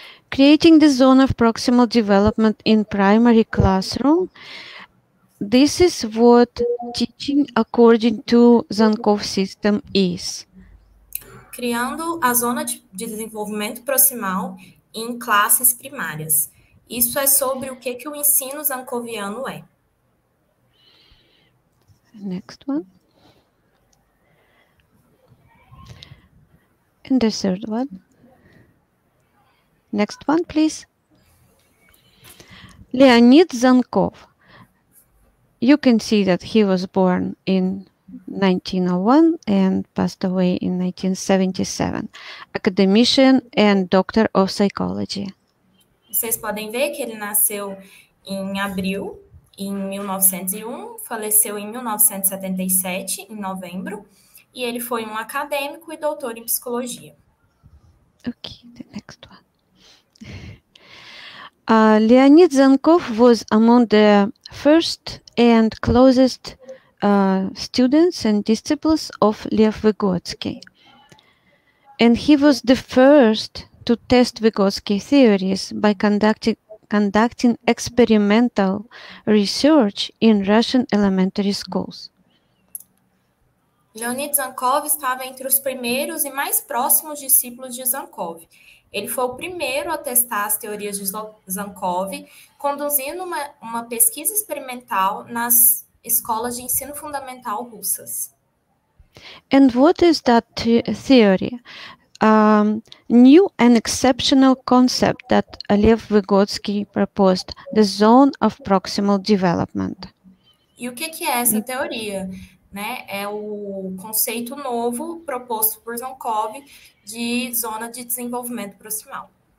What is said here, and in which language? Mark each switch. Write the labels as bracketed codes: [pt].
[en] Creating the zone of proximal development in primary classroom. This is what teaching according to Zankov system is. [pt] Criando a zona de desenvolvimento proximal em classes primárias. Isso é sobre o que o ensino zankoviano é. [en] Next one. And the third one. Next one, please. Leonid Zankov. You can see that he was born in 1901 and passed away in 1977. Academician and doctor of psychology. [pt] Vocês podem ver que ele nasceu em abril em 1901, faleceu em 1977, em novembro, e ele foi um acadêmico e doutor em psicologia. [en] Okay, the next one. Leonid Zankov was among the first and closest students and disciples of Lev Vygotsky. And he was the first to test Vygotsky theories by conducting experimental research in Russian elementary schools. [pt] Leonid Zankov estava entre os primeiros e mais próximos discípulos de Zankov. Ele foi o primeiro a testar as teorias de Zankov, conduzindo uma pesquisa experimental nas escolas de ensino fundamental russas. [en] And what is that theory? New and exceptional concept that Lev Vygotsky proposed, the zone of proximal development. [pt] E o que que é essa teoria? Né? É o conceito novo proposto por Zankov de zona de desenvolvimento proximal.